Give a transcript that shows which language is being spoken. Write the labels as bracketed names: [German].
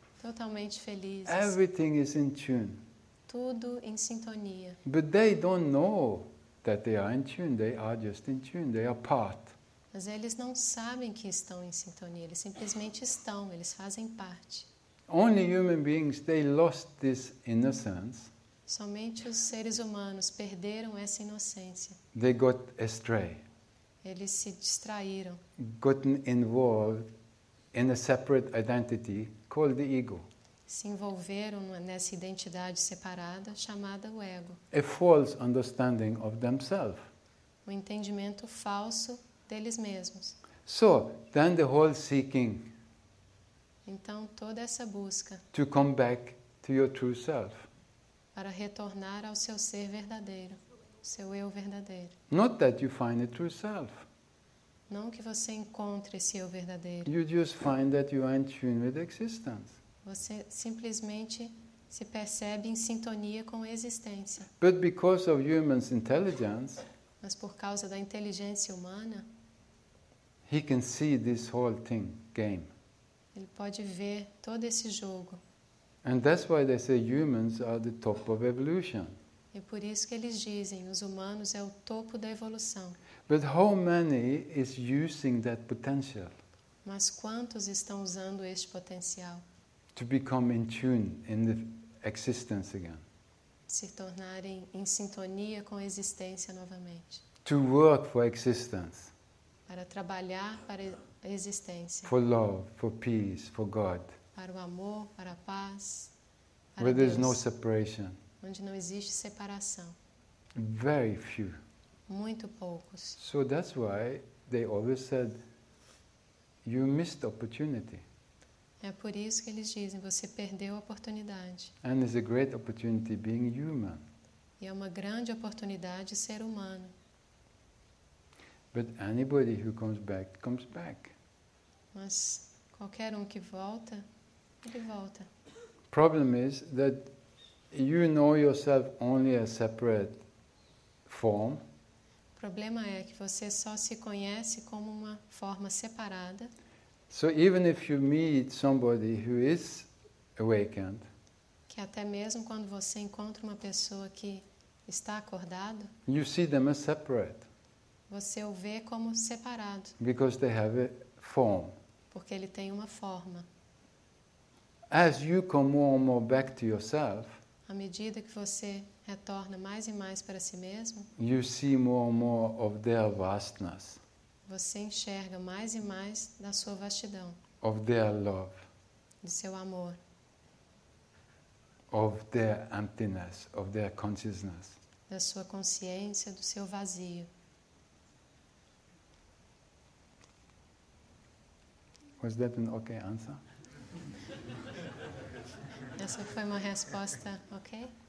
[Portuguese] Totalmente felizes. [English] Everything is in tune. [Portuguese] Tudo em sintonia. [English] But they don't know that they are in tune. They are just in tune. They are part. [Portuguese] Mas eles não sabem que estão em sintonia. Eles simplesmente estão. Eles fazem parte. [English] Only human beings, they lost this innocence. [Portuguese] Somente os seres humanos perderam essa inocência. [English] They got astray. [Portuguese] Eles se distraíram. [English] Gotten involved in a separate identity called the ego. [Portuguese] Se envolveram nessa identidade separada chamada o ego. [English] A false understanding of themselves. [Portuguese] Um entendimento falso deles mesmos. [English] So, then the whole seeking. [Portuguese] Então, toda essa busca. [English] To come back to your true self. [Portuguese] Para retornar ao seu ser verdadeiro, seu eu verdadeiro. [English] Not that you find a true self. [Portuguese] Não que você encontre esse eu verdadeiro. [English] You just find that you are in tune with existence. [Portuguese] Você simplesmente se percebe em sintonia com a existência. [English] But because of human intelligence, [Portuguese] mas por causa da inteligência humana, [English] he can see this whole thing, game. [Portuguese] Ele pode ver todo esse jogo. [English] And that's why they say humans are the top of evolution. [Portuguese] E por isso que eles dizem, os humanos é o topo da evolução. [English] But how many is using that potential? [Portuguese] Mas quantos estão usando este potencial? [English] To become in tune in the existence again. [Portuguese] Se tornarem em sintonia com a existência novamente. [English] To work for existence. [Portuguese] Para trabalhar para a existência. [English] For love, for peace, for God. [Portuguese] Para o amor, para a paz. Para [English] where [Portuguese] Deus, [English] there is no separation. [Portuguese] Onde não existe separação. [English] Very few. [Portuguese] Muito poucos. [English] So that's why they always said, you missed opportunity. [Portuguese] É por isso que eles dizem, você perdeu a oportunidade. [English] And it's a great opportunity being human. [Portuguese] E é uma grande oportunidade ser humano. [English] But anybody who comes back, comes back. [Portuguese] Mas qualquer um que volta, ele volta. [English] Problem is that you know yourself only as separate form. [Portuguese] O problema é que você só se conhece como uma forma separada. [English] So even if you meet somebody who is awakened, [Portuguese] que até mesmo quando você encontra uma pessoa que está acordado, [English] you see them as separate. [Portuguese] Você o vê como separado. [English] Because they have a form. [Portuguese] Porque ele tem uma forma. [English] As you come more and more back to yourself, [Portuguese] à medida que você retorna mais e mais para si mesmo, [English] you see more and more of their vastness. [Portuguese] Você enxerga mais e mais da sua vastidão. [English] Of their love. [Portuguese] Do seu amor. [English] Of their emptiness, of their consciousness. [Portuguese] Da sua consciência, do seu vazio. [English] Was that an okay answer? [Portuguese] Essa foi uma resposta, ok?